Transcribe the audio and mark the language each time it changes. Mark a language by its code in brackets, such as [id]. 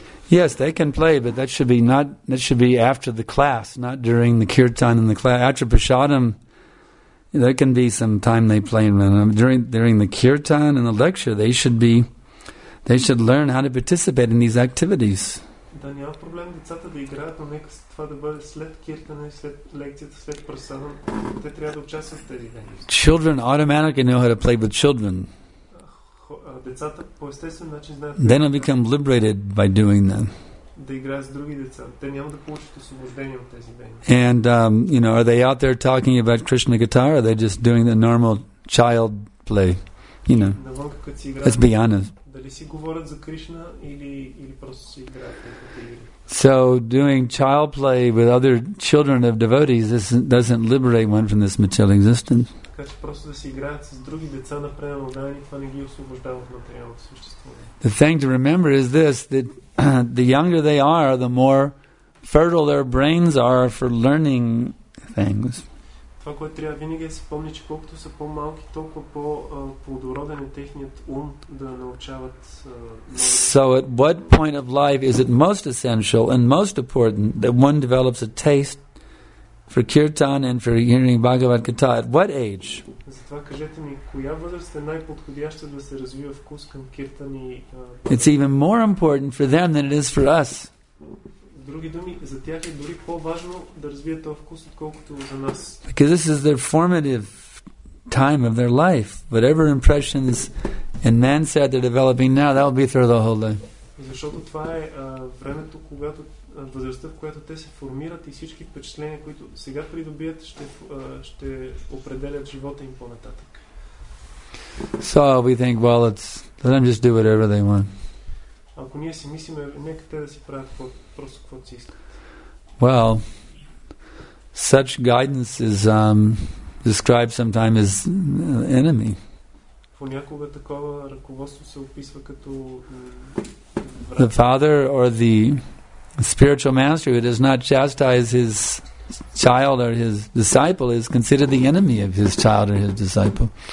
[en] Yes, they can play, but that should be after the class, not during the kirtan in the class. After prasadam, there can be some time they play. During the kirtan and the lecture, they should learn how to participate in these activities. [bg] Да, няма проблем децата да играят, но нека това да бъде след киртане, след лекцията, след прасана. Те трябва да участват в тези дейности. [en] Children automatically know how to play with children. [bg] Децата по естествен начин знаят. [en] They don't become liberated by doing that. [bg] Да играят с други деца. Те няма да получат освобождение от тези дейности. [en] And, you know, are they out there talking about Krishna guitar or are they just doing the normal child play? You know, let's be honest. [bg] Дали си говорят за Кришна или просто си играят? [en] So doing child play with other children of devotees doesn't liberate one from this material existence. [bg] Така че просто да си играят с други деца на предано даване, това не ги освобождава от материалното съществуване. [en] The thing to remember is this, that the younger they are, the more fertile their brains are for learning things. [bg] това, което трябва винаги да се помни, че колкото са по-малки, толкова по-плодороден е техният ум да научават. [en] So at what point of life is it most essential and most important that one develops a taste for kirtan and for hearing Bhagavad Gita? At what age? [bg] Затова кажете ми, коя възраст е най-подходяща да се развива вкус към киртан и... [en] It's even more important for them than it is for us. [bg] Други думи, за тях е дори по-важно да развият този вкус, отколкото за нас. [en] Because this is their formative time of their life. Whatever impressions and mindset they're developing now, that will be through the whole day. [bg] Защото това е времето, когато възрастта, в която те се формират и всички впечатления, които сега придобият, ще определят живота им по-нататък. [en] So we think, well, it's, let them just do whatever they want. [bg] Ако ние си мислим, нека те да си правят просто каквото си искат. [en] Well, such guidance is described sometimes as enemy. [bg] Понякога такова ръководство се описва като [en] the father or the spiritual master who does not chastise his child or his disciple is considered the enemy of his child or his disciple.